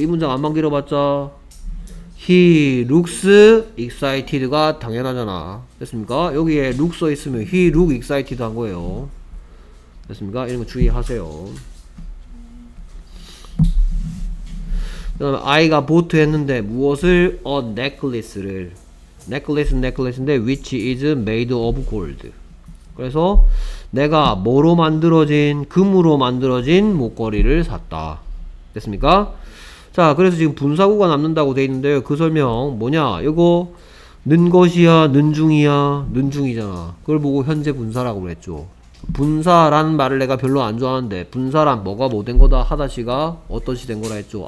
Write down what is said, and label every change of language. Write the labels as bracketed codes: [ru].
[ko] 이 문장 안만 길어봤자 [en] He looks excited [ko] 가 당연하잖아. 됐습니까? 여기에 look 써있으면 [en] He look excited [ko] 한 거예요. 됐습니까? 이런 거 주의하세요. 그 다음에 아이가 보트 했는데 무엇을? [en] A necklace를 necklace는 necklace인데 which is made of gold. [ko] 그래서 내가 뭐로 만들어진 금으로 만들어진 목걸이를 샀다. 됐습니까? 자, 그래서 지금 분사구가 남는다고 돼 있는데요. 그 설명 뭐냐? 이거 는 것이야, 는 중이야, 는 중이잖아. 그걸 보고 현재 분사라고 그랬죠. 분사라는 말을 내가 별로 안 좋아하는데 분사란 뭐가 뭐된 거다 하다시가 어떤시 된 거라 했죠.